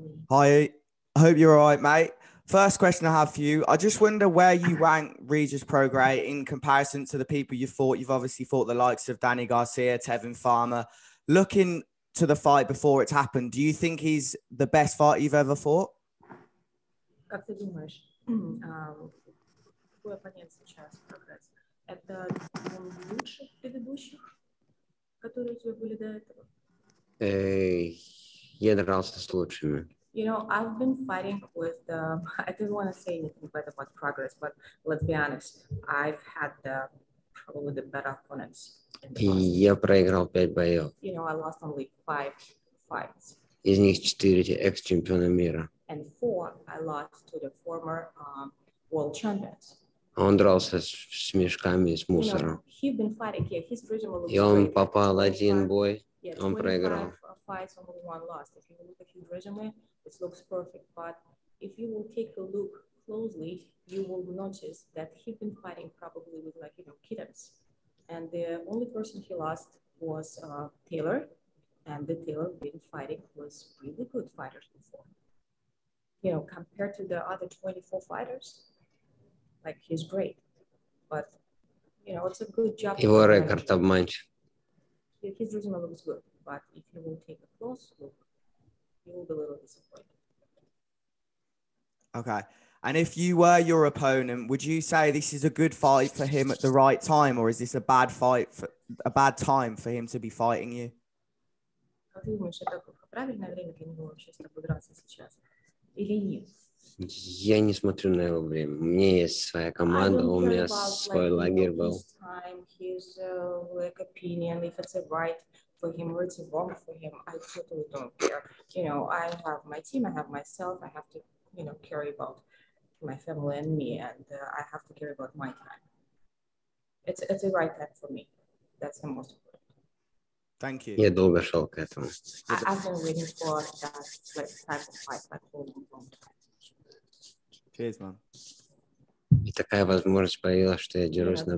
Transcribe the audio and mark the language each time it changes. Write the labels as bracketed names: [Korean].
[English] Hi. I hope you're all right, mate. First question I have for you. I just wonder where you rank Regis Prograis in comparison to the people you fought. You've obviously fought the likes of Danny Garcia, Tevin Farmer. Looking to the fight before it's happened, do you think he's the best fighter you've ever fought? [Russian] Как ты думаешь, какой оппонент сейчас Прогресс? Это лучших предыдущих, которые у тебя были до этого? Я дрался с лучшими. [English] You know, I've been fighting with, I didn't want to say anything bad about Prograis, but let's be honest, I've had probably the better opponents. [Russian] Я проиграл 5 боев. [English] You know, I lost only 5 fights. [Russian] Из них 4 экс-чемпиона мира. [English] And 4, I lost to the former world champions. [Russian] Он дрался с мешками, с мусором. [English] You know, fighting, yeah, [Russian] и он [English] great. [Russian] Попал один бой, yeah, он проиграл. [English] Fights, only one lost. If you look at his resume, it looks perfect. But if you will take a look closely, you will notice that he's been fighting probably with, like, you know, kittens. And the only person he lost was Taylor. And the Taylor been fighting was really good fighters before. You know, compared to the other 24 fighters, like, he's great, but, you know, it's a good job. [Russian] Его рекорд обманчив. [English] His resume looks good, but if you will take a close look, you will be a little disappointed. Okay, and if you were your opponent, would you say this is a good fight for him at the right time, or is this a bad fight, for, a bad time for him to be fighting you? [Russian] Как ты думаешь, это правильное время для него вообще с тобой драться сейчас, или нет? Я не смотрю на его время. У меня есть своя команда, у меня свой лагерь был. [English] His, like, opinion, if it's a right for him, or it's wrong for him, I totally don't care. You know, I have my team, I have myself, I have to, you know, care about my family and me, and I have to care about my time. It's a right time for me. That's the most important. Thank you. [Russian] Yeah, долго шел к этому. [English] I've been waiting for that type of fight like for a long, long time. Cheers, man. [Russian] И такая возможность появилась, что я дерусь на